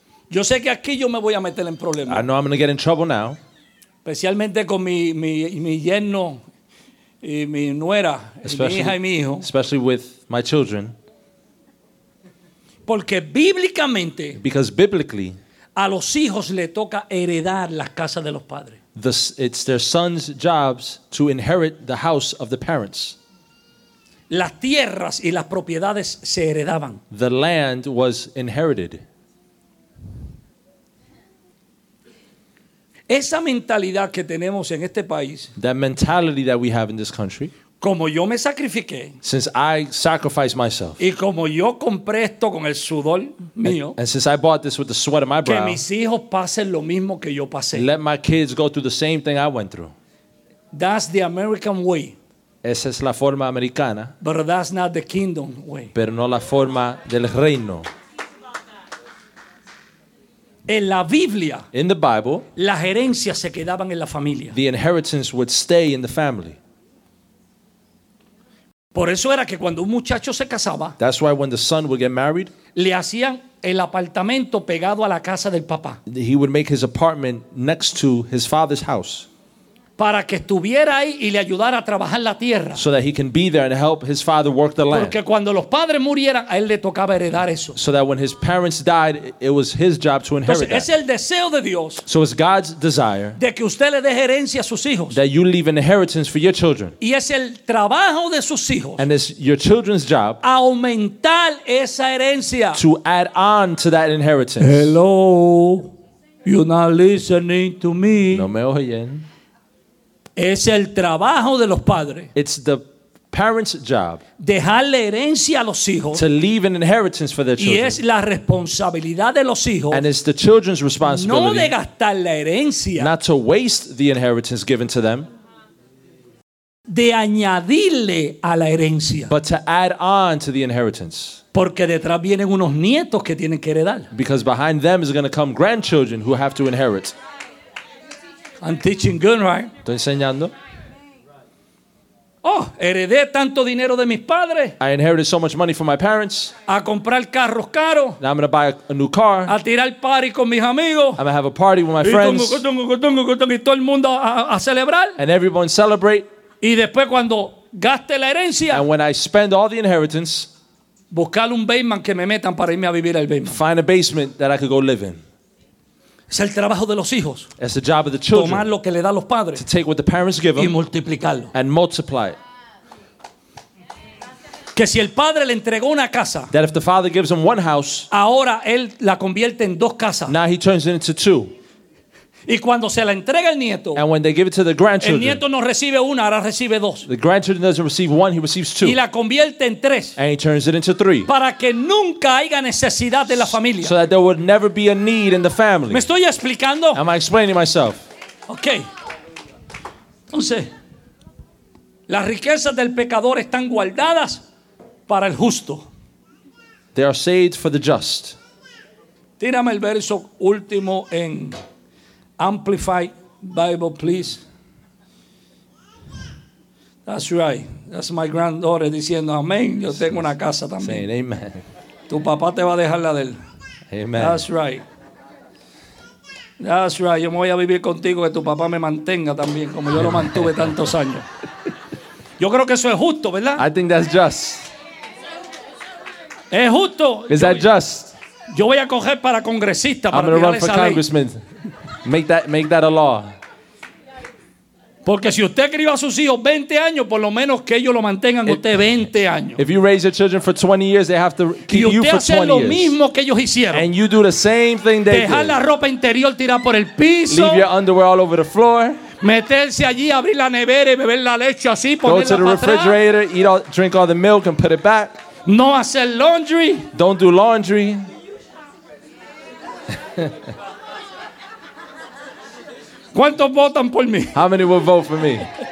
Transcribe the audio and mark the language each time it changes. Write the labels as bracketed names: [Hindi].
[Spanish] Yo sé que aquí yo me voy a meter en problemas. [English] I know I'm going to get in trouble now. [Spanish] Especialmente con mi yerno. Y mi nuera, especially, mi hija y mi hijo. [English] Especially with my children. [Spanish] Porque bíblicamente, [English] because biblically, [Spanish] a los hijos le toca heredar las casas de los padres. [English] It's their sons' jobs to inherit the house of the parents. [Spanish] Las tierras y las propiedades se heredaban. [English] The land was inherited. [Spanish] Esa mentalidad que tenemos en este país. [English] That mentality that we have in this country. [Spanish] Como yo me sacrifiqué. [English] Since I sacrificed myself. [Spanish] Y como yo compré esto con el sudor mío. [English] And since I bought this with the sweat of my brow. [Spanish] Que mis hijos pasen lo mismo que yo pasé. [English] Let my kids go through the same thing I went through. That's the American way. [Spanish] Esa es la forma americana. [English] But that's not the kingdom way. [Spanish] Pero no la forma del reino. En la Biblia, [English] in the Bible, [Spanish] las herencias se quedaban en la familia. [English] The inheritance would stay in the family. [Spanish] Por eso era que cuando un muchacho se casaba, [English] that's why when the son would get married, [Spanish] le hacían el apartamento pegado a la casa del papá. [English] He would make his apartment next to his father's house. [Spanish] Para que estuviera ahí y le ayudara a trabajar la tierra. [English] So that he can be there and help his father work the land. [Spanish] Porque cuando los padres murieran, a él le tocaba heredar eso. [English] So that when his parents died, it was his job to inherit. that. [Spanish] Es el deseo de Dios. [English] So it's God's desire. [Spanish] De que usted le deje herencia a sus hijos. [English] That you leave an inheritance for your children. [Spanish] Y es el trabajo de sus hijos. [English] And it's your children's job. [Spanish] Aumentar esa herencia. [English] To add on to that inheritance. Hello. You're not listening to me. [Spanish] No me oyen. Es el trabajo de los padres. [English] It's the parents' job. [Spanish] Dejarle herencia a los hijos. [English] To leave an inheritance for their children. [Spanish] Y es la responsabilidad de los hijos. [English] And it's the children's responsibility. [Spanish] No de gastar la herencia. [English] Not to waste the inheritance given to them. [Spanish] De añadirle a la herencia. [English] But to add on to the inheritance. [Spanish] Porque detrás vienen unos nietos que tienen que heredar. [English] Because behind them is going to come grandchildren who have to inherit. I'm teaching good, right? [Spanish] Estoy enseñando. Oh, heredé tanto dinero de mis padres. [English] I inherited so much money from my parents. [Spanish] A comprar carros caros. [English] Now I'm going to buy a new car. [Spanish] A tirar party con mis amigos. [English] I'm going to have a party with my friends. [Spanish] Y todo el mundo a celebrar. [English] And everyone celebrate. [Spanish] Y después cuando gaste la herencia. [English] And when I spend all the inheritance. [Spanish] Buscar un basement que me metan para irme a vivir al basement. [English] Find a basement that I could go live in. [Spanish] Es el trabajo de los hijos. [English] It's the job of the children. [Spanish] Tomar lo que le dan los padres. [English] To take what the parents give them. [Spanish] Y multiplicarlo. [English] And multiply it. [Spanish] Que si el padre le entregó una casa. [English] That if the father gives him one house. [Spanish] Ahora él la convierte en dos casas. [English] Now he turns it into two. [Spanish] Y cuando se la entrega el nieto, [English] and when they give it to the grandchildren, [Spanish] el nieto no recibe una, ahora recibe dos. [English] The grandchildren doesn't receive one, he receives two. [Spanish] Y la convierte en tres. [English] And he turns it into three. [Spanish] Para que nunca haya necesidad de la familia. [English] So that there would never be a need in the family. [Spanish] ¿Me estoy explicando? [English] Am I explaining myself? Okay. [Spanish] Entonces, las riquezas del pecador están guardadas para el justo. [English] They are saved for the just. [Spanish] Tírame el verso último en Amplify Bible, please. [English] That's right. That's my granddaughter [Spanish] diciendo amén. Yo tengo una casa también. [English] Saying amen. [Spanish] Tu papá te va a dejar la de él. [English] Amen. That's right. That's right. [Spanish] Yo me voy a vivir contigo que tu papá me mantenga también como yo lo mantuve tantos años. Yo creo que eso es justo, ¿verdad? [English] I think that's just. [Spanish] Es justo. [English] Is that just? [Spanish] Yo voy a coger para congresista para tirar esa congressman. Ley. [English] Make that a law. [Spanish] Porque si usted crió a sus hijos 20 años, por lo menos que ellos lo mantengan usted 20 años. [English] If you raise your children for 20 years, they have to keep you for 20 years. [Spanish] Y usted hace lo mismo que ellos hicieron. [English] And you do the same thing they did. [Spanish] Dejar la ropa interior tirada por el piso. [English] Leave your underwear all over the floor. [Spanish] Meterse allí, abrir la nevera y beber la leche así, ponerla para atrás. [English] Go to the refrigerator, drink all the milk and put it back. [Spanish] No hacer laundry. [English] Don't do laundry. [Spanish] ¿Cuántos votan por mí? [English] How many will vote for me?